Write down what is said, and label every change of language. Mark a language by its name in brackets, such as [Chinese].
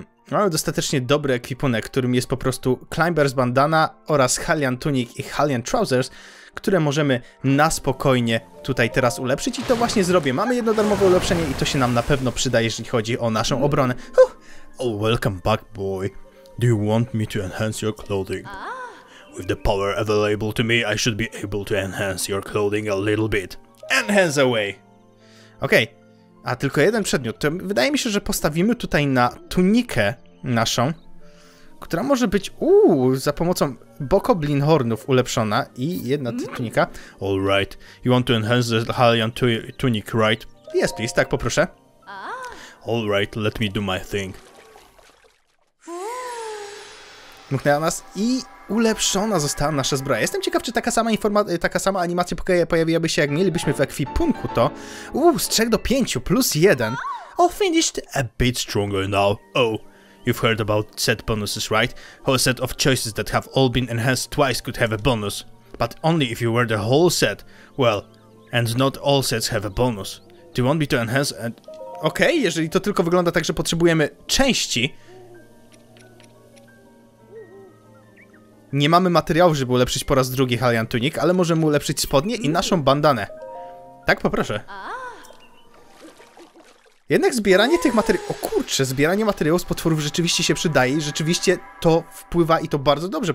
[Polish] Mamy dostatecznie dobry ekwipunek, którym jest po prostu Climber's Bandana oraz Halyan Tunic i Halyan Trousers, które możemy na spokojnie tutaj teraz ulepszyć i to właśnie zrobię. Mamy jedno darmowe ulepszenie i to się nam na pewno przyda, jeżeli chodzi o naszą obronę. Huh. [English] Oh, welcome back, boy. Do you want me to enhance your clothing? With the power available to me, I should be able to enhance your clothing a little bit. Enhance away! Okej. Okay. [Polish] A tylko jeden przedmiot, to wydaje mi się, że postawimy tutaj na tunikę naszą, która może być za pomocą Bokoblin Hornów ulepszona i jedna tunika. [English] All right, you want to enhance the Halyan tunic, right? Yes, please, [Polish] tak poproszę. [English] All right, let me do my thing. [Polish] Mknęła nas i ulepszona została nasza zbroja. Jestem ciekaw, czy taka sama animacja pojawiłaby się, jak mielibyśmy w ekwipunku to. Z 3 do 5, plus 1. [English] All finished. A bit stronger now. Oh, you've heard about set bonuses, right? Whole set of choices that have all been enhanced twice could have a bonus. But only if you wear the whole set. Well, and not all sets have a bonus. Do you want me to enhance and... [Polish] Okej, jeżeli to tylko wygląda tak, że potrzebujemy części. Nie mamy materiału, żeby ulepszyć po raz drugi Halyan Tunic, ale możemy ulepszyć spodnie i naszą bandanę. Tak, poproszę. Jednak zbieranie tych materiałów... O kurczę, zbieranie materiałów z potworów rzeczywiście się przydaje i rzeczywiście to wpływa i to bardzo dobrze.